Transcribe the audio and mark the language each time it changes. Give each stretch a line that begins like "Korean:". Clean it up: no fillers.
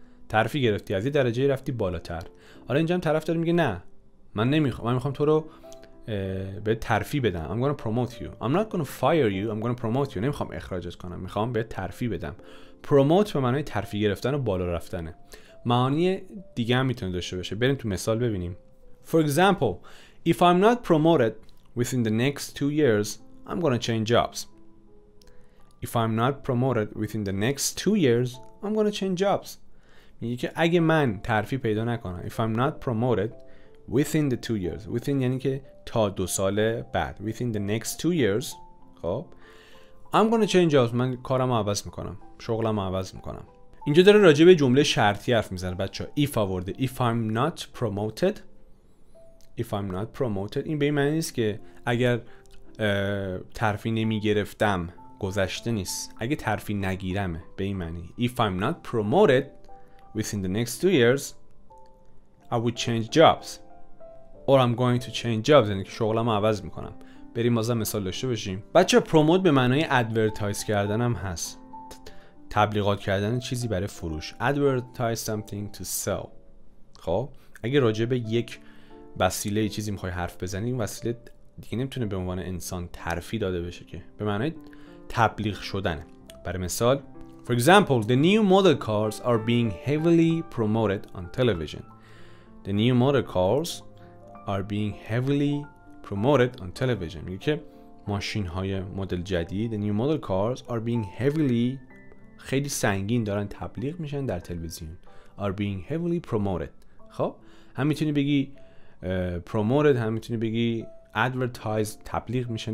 Persian: ترفی گرفتی، از یه درجه رفتی بالاتر. حالا اینجا هم طرف داره میگه نه، من نمیخوام، من میخوام تو رو به ترفی بدم.
English: I'm gonna promote you. I'm not gonna fire you. I'm gonna promote you.
Persian: نمیخوام اخراجت کنم، میخوام به ترفی بدم. Promote به معنای ترفی گرفتن و بالا رفتنه. معانی دیگه هم میتونه داشته باشه. بریم تو مثال ببینیم.
English: For example, if I'm not promoted within the next 2 years, I'm gonna change jobs. If I'm not promoted within the next 2 years, I'm gonna change jobs.
Persian: میگه که اگه من ترفی پیدا نکنم، if I'm not promoted within the 2 years, within یعنی که تا 2 سال بعد، within the next 2 years، خب I'm gonna change jobs، من کارم رو عوض میکنم، شغلم رو عوض میکنم. اینجا داره راجع به جمله شرطی حرف میزنه بچه ها. If آورده، if I'm not promoted، if I'm not promoted، این به این معنی نیست که اگر ترفی نمیگرفتم گذشته نیست، اگه ترفی نگیرم به این معنی.
English: If I'm not promoted within the next 2 years, I would change jobs. Or I'm going to change jobs.
Persian: یعنی که شغلم رو عوض میکنم. بریم بازم مثال داشته باشیم. بچه پروموت به معنای ادورتایز کردن هم هست. تبلیغات کردن چیزی برای فروش.
English: Advertise something to sell.
Persian: خب؟ اگه راجع به یک وسیله چیزی میخوای حرف بزنی، این وسیله دیگه نمیتونه به عنوان انسان ترفی داده بشه که.
English: به معنای تبلیغ شدنه. برای مثال، For example, the new model cars are being heavily promoted on television. The new model cars are being heavily promoted on television.
Persian: میگه که ماشین‌های مدل جدید، the new model cars are being heavily، خیلی سنگین دارن تبلیغ میشن در تلویزیون.
English: Are being heavily promoted.
Persian: خب؟ هم میتونی بگی promoted، هم میتونی بگی advertise، تبلیغ میشن.